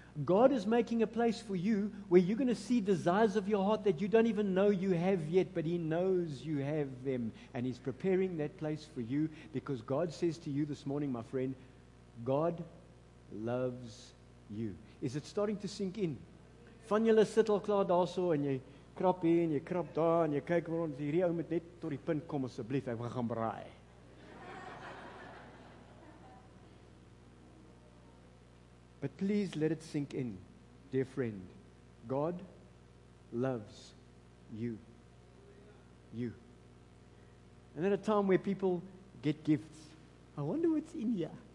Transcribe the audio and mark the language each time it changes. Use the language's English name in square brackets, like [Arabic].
[English] God is making a place for you where you're going to see desires of your heart that you don't even know you have yet, but he knows you have them, and he's preparing that place for you because God says to you this morning, my friend, God loves you. Is it starting to sink in? [Afrikaans] Van julle sit al klaar daarso en jy krap hier en jy krap daar en jy kyk waar ons hierdie ou met net tot die punt kom asseblief, ek gaan braai. [English] But please let it sink in, dear friend. God loves you. You. And at a time where people get gifts, I wonder what's in here.